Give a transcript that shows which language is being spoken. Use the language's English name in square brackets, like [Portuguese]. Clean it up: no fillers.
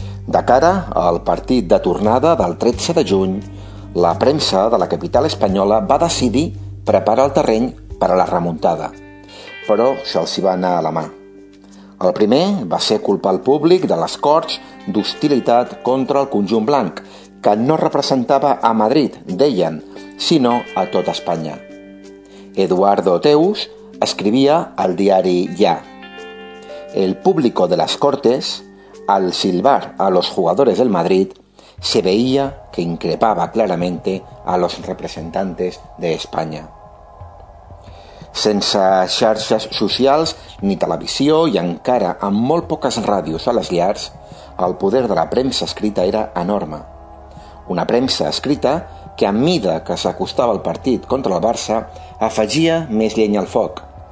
[Catalan] De cara al partit de tornada del 13 de juny, la premsa de la capital espanyola va decidir preparar el terreny per a la remuntada, però se'ls va anar a la mà. El primer va ser culpar el públic de les Corts d'hostilitat contra el conjunt blanc, que no representava a Madrid, deien, sinó a tot Espanya. Eduardo Teus escrivia al diari Ya: [Spanish] «El público de las Cortes, al silbar a los jugadores del Madrid, se veía que increpaba claramente a los representantes de España». [Catalan] Sense xarxes socials ni televisió i encara amb molt poques ràdios a les llars, el poder de la premsa escrita era enorme. Una premsa escrita que, a mida que s'acostava al partit contra el Barça, afegia més llenya al foc.